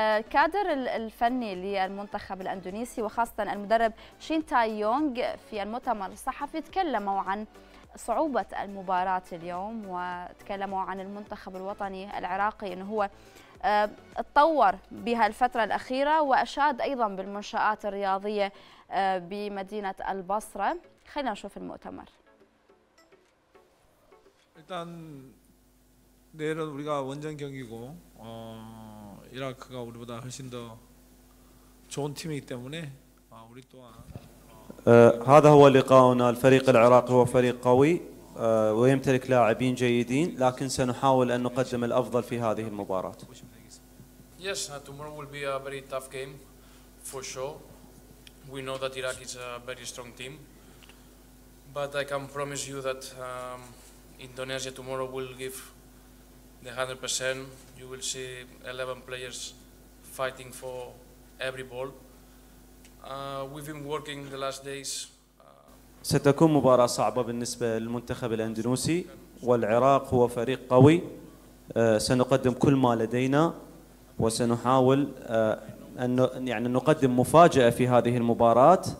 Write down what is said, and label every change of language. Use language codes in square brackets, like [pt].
[ar] كادر الفني للمنتخب الأندونيسي وخاصة المدرب شين تاي يونغ في المؤتمر الصحفي تكلموا عن صعوبة المباراة اليوم، وتكلموا عن المنتخب الوطني العراقي أنه هو تطور بها الفترة الأخيرة، وأشاد أيضا بالمنشآت الرياضية بمدينة البصرة. خلينا نشوف المؤتمر. [ko] إذن 내일은 우리가 원정 경기고 이라크가 우리보다 훨씬 더 좋은 팀이기 때문에 우리 또한 [ar] هذا هو لقاؤنا. الفريق العراقي هو فريق قوي ويمتلك لاعبين جيدين، لكن سنحاول أن نقدم الأفضل في هذه المباراة. [en] Yes, tomorrow will be a very tough game for sure. We know that Iraq is a very strong team, but I can promise you that Indonesia tomorrow will give the 100%. You will see 11 players fighting for every ball. We've been working the last days. [ar] ستكون مباراة صعبة بالنسبة للمنتخب الأندونيسي، والعراق هو فريق قوي. سنقدم كل ما لدينا وسنحاول أن يعني نقدم مفاجأة في هذه المباراة.